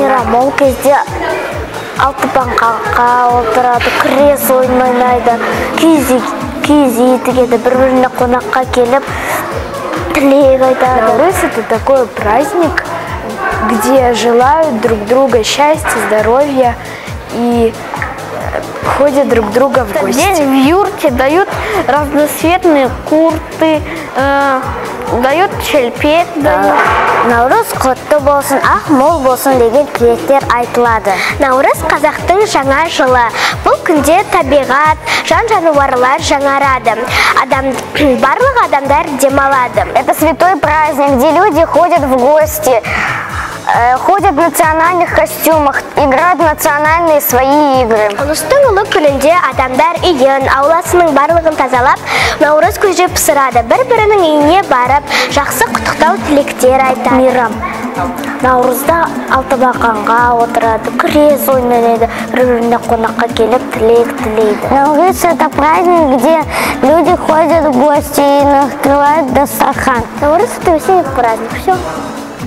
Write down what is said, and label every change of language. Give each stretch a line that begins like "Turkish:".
Kazakh: Мейрам ол кезде алтыпан қаққа отырады, күрес ойнайды, киіз үйді, бір-біріне қонаққа келіп, тілек айтады.
Russian: Наурыз – это такой праздник, где желают друг друга счастья, здоровья и ходят друг друга в гости. День в юрте дают разноцветные курты, дают шелпет.
Kazakh: Наурыз құтты болсын, ақ мол болсын деген тілектер айтылады. Наурыз қазақтың жаңа жылы. Бұл күнде табиғат, жан-жануарлар жаңарады. Барлық адамдар демалады.
Russian: Это святой праздник, где люди ходят в гости. Ходят в национальных костюмах, играют в национальные свои игры.
Kazakh: Ұлыстың ұлы күнінде адамдар үйін, ауласының барлығын тазалап, наурыз көже пысырады. Бір-бірінің үйіне барып, жақсы құттықтау тілектер айтады. Мейрам, наурызда алтыбақанға отырады, күрес ойнайды, бір-біріне қонаққа келіп, тілейді.
Russian: Наурыз – это праздник, где люди ходят в гости и накрывают достархан. Наурыз – это весенний праздник. Все.